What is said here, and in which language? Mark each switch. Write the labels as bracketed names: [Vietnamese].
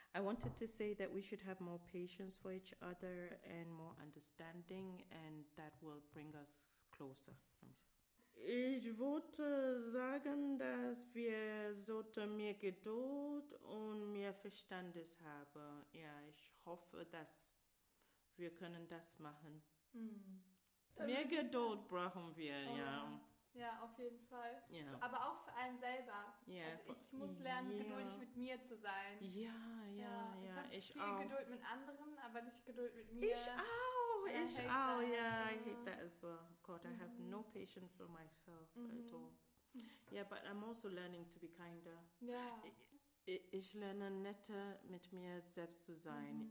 [English] I wanted to say that we should have more patience for each other and more understanding, and that will bring us closer. [German] Ich wollte sagen, dass wir sollten mehr Geduld und mehr Verständnis haben. Ja, ich hoffe, dass wir können das machen. Mehr Geduld brauchen wir, Ja, auf jeden Fall. Yeah. Aber auch für einen selber. Yeah. Also ich muss lernen, geduldig mit mir zu sein. Ja. Ich habe viel Geduld mit anderen, aber nicht Geduld mit mir. Ich auch. [English] Yeah, I hate that as well. God, I have no patience for myself at all. Yeah, but I'm also learning to be kinder. [German] Ich lerne netter mit mir selbst zu sein.